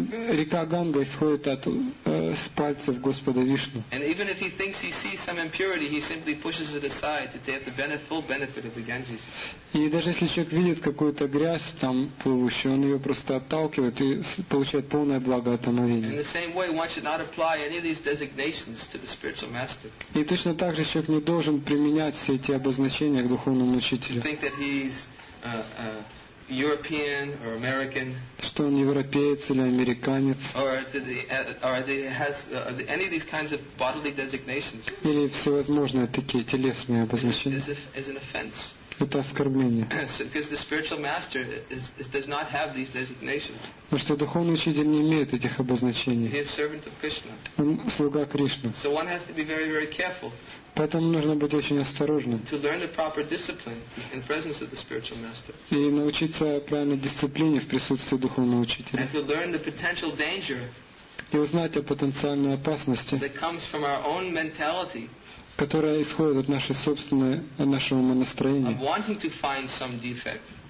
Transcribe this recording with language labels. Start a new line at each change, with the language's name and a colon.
Russian: Река Ганга исходит от с пальцев Господа Вишну.
English: And even if he thinks he sees some impurity, he simply pushes it aside to take the full benefit of the Ganges.
Russian: И даже если человек видит какую-то грязь там плывущую, он ее просто отталкивает и получает полное благо от омовения.
English: In the same way, one should not apply any of these designations to the spiritual master.
Russian: И точно так же человек не должен применять все эти обозначения к духовному учителю.
English: To think that he's European or American,
Russian: что он европеец или американец,
English: any of these kinds of bodily designations,
Russian: или всевозможные такие телесные обозначения, это оскорбление.
English: Because the spiritual master does not have these designations.
Russian: Потому что духовный учитель не имеет этих обозначений.
English: He is servant of Krishna.
Russian: Он слуга Кришны.
English: So one has to be very, very careful.
Russian: Поэтому нужно быть очень осторожным.
English: To learn the proper discipline in presence of the spiritual master.
Russian: И научиться правильной дисциплине в присутствии духовного учителя.
English: And to learn the potential danger.
Russian: И узнать о потенциальной опасности.
English: That comes from our own mentality.
Russian: Которая исходит от нашей собственной, от нашего настроения.
English: Of wanting to find some defect.